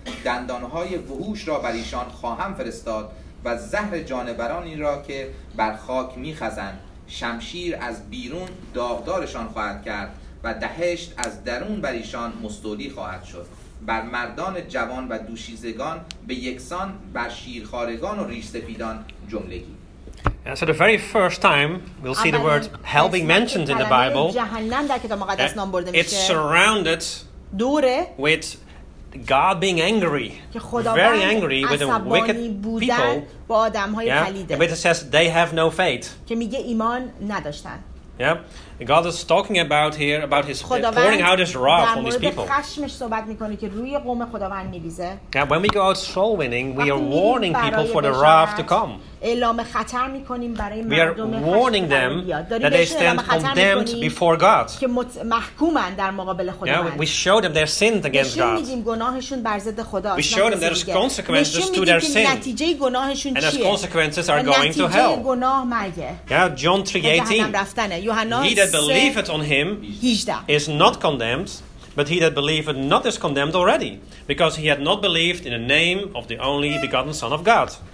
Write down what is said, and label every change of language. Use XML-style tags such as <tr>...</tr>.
<fa>دندانهای وحوش را بر ایشان خواهم فرستاد و زهر جانورانی را که بر خاک می خزند. شمشیر از بیرون داغدارشان خواهد کرد و دهشت از درون بر ایشان مستولی خواهد شد. بر مردان جوان و دوشیزگان به یکسان، بر شیرخوارگان و ریش سفیدان جملگی.</fa> <en>And so the very first time we'll see the word hell being mentioned in the Bible.</en> <fa>جهنم در کتاب مقدس نام برده میشه.</fa> <en>It's surrounded</en> <fa>دوره</fa> <en>with God being angry, very angry with the wicked people, yeah? But it says they have no faith. Yeah, God is talking about here about his pouring out his wrath on these people. Yeah, when we go out soul winning, we are warning people for the wrath to come.</en> <fa>اعلام خطر میکنیم برای مردم.</fa> <en>We are warning them that they stand condemned before God.</en> <fa>که محکومند در مقابل خدا.</fa> <en>Yeah, we show them their sin against God.</en> <fa>نشون میدیم گناهشون بر ضد خدا.</fa> <en>We show them there's consequences to their sin.</en> <fa>نتیجه گناهشون چیه؟</fa> <en>And the consequences are going to hell.</en> <fa>نتیجه گناه مرگه.</fa> <en>Yeah, John 3:18. He that believeth on him is not condemned. But he that believeth not is condemned already, because he had not believed in the name of the only begotten Son of God.</en>